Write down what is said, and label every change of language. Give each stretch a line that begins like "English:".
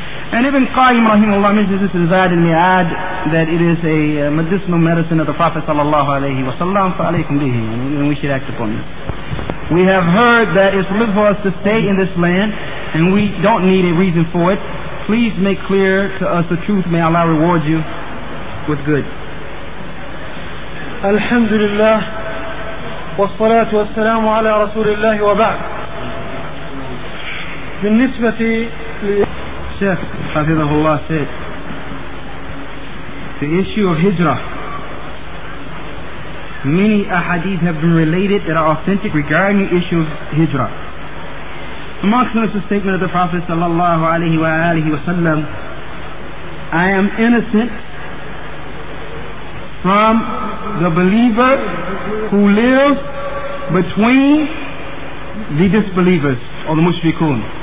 English: And Ibn Qayyim rahimahullah mentions this in Zayd al-Mi'ad that it is a medicinal medicine of the Prophet sallallahu alayhi wa sallam,
Arabic: fa alaykum bihi,
English: and we should act upon this. We have heard that it's good for us to stay in this land and we don't need a reason for it. Please make clear to us the truth. May Allah reward you with good.
Arabic: الحمد لله والصلاة والسلام على رسول الله وبعد. بالنسبة شيخ حفظه الله
English: said the issue of hijrah, many ahadith have been related that are authentic regarding the issue of hijrah. Amongst them is the statement of the Prophet
Arabic: صلى الله عليه وآله وسلم,
English: I am innocent from the believer who lives between the disbelievers or the mushrikun.